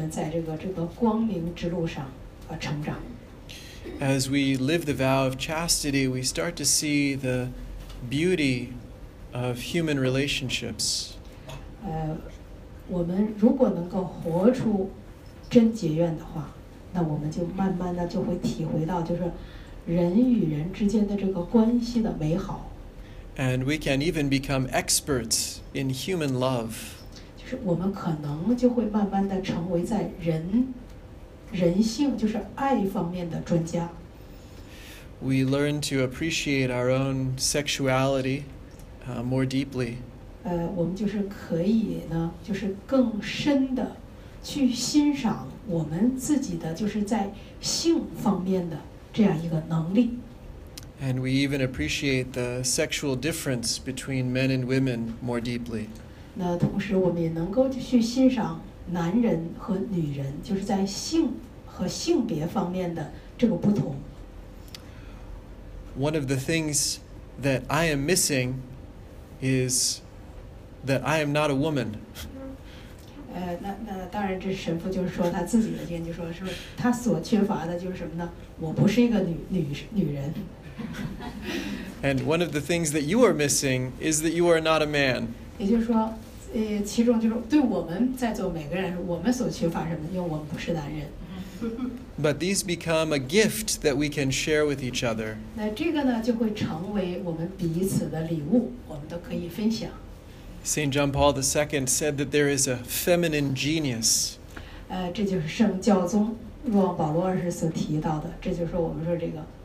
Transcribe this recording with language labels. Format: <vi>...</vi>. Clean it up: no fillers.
<zh>所以就是慢慢的成长，那就会就是逐步的，就是我们在这个光明之路上成长。</zh> <en>As we live the vow of chastity, we start to see the beauty of human relationships.</en> <zh>我们如果能够活出贞洁愿的话。那我们就慢慢的就会体会到，就是人与人之间的这个关系的美好。</zh> <en>And we can even become experts in human love.</en> <zh>就是我们可能就会慢慢的成为在人性，就是爱方面的专家。</zh> <en>We learn to appreciate our own sexuality more deeply.</en> <zh>我们就是可以呢，就是更深的。去欣赏我们自己的，就是在性方面的这样一个能力。</zh> <en>And we even appreciate the sexual difference between men and women more deeply.</en> <zh>那同时我们也能够去欣赏男人和女人，就是在性和性别方面的这个不同。</zh> <en>One of the things that I am missing is that I am not a woman.</en> <zh>那当然，这神父就是说他自己的研究，说是他所缺乏的就是什么呢？我不是一个女人。</zh> <en>And one of the things that you are missing is that you are not a man.</en> <zh>也就是说，其中就是对我们在座每个人，我们所缺乏什么？因为我们不是男人。</zh> <en>But these become a gift that we can share with each other.</en> <zh>那这个呢，就会成为我们彼此的礼物，我们都可以分享。</zh> <en>St. John Paul II said that there is a feminine genius.</en> <zh>这就是圣教宗若保罗二世所提到的，这就是我们说这个</zh>